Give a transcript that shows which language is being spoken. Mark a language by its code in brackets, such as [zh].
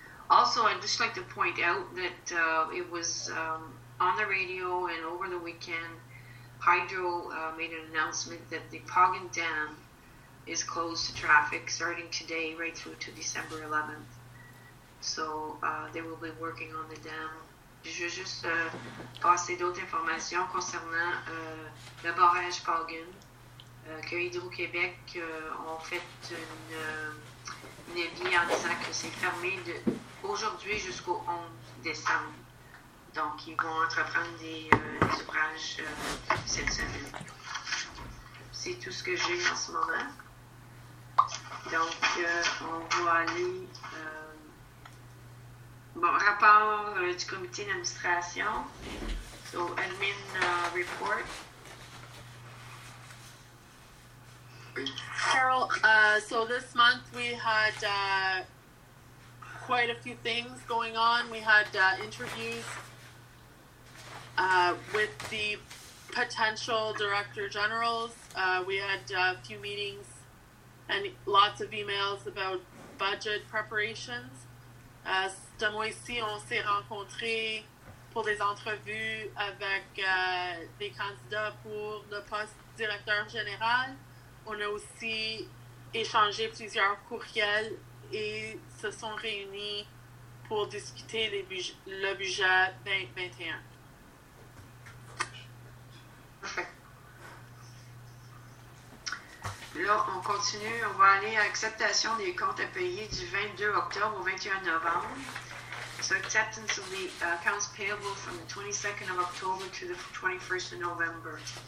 [en] Also, I'd just like to point out that it was on the radio and over the weekend, Hydro made an announcement that the Poggin Dam is closed to traffic starting today right through to December 11th. So they will be working on the dam. [fr] Je vais juste passer d'autres informations concernant le barrage Poggin, que Hydro-Québec ont fait une avis en disant que c'est fermé aujourd'hui jusqu'au 11 décembre. Donc ils vont entreprendre des ouvrages cette semaine. C'est tout ce que j'ai en ce moment. Donc, on va aller. Rapport du comité d'administration. [en] So, admin report. Carol, so this month we had quite a few things going on. We had interviews with the potential director generals. We had a few meetings and lots of emails about budget preparations. [fr] Ce mois-ci, on s'est rencontrés pour des entrevues avec des candidats pour le poste directeur général. On a aussi échangé plusieurs courriels et se sont réunis pour discuter le budget 2021. Là, on continue. On va aller à acceptation des comptes à payer du 22 octobre au 21 novembre. [en] So acceptance of the accounts payable from the 22nd of October to the 21st of November.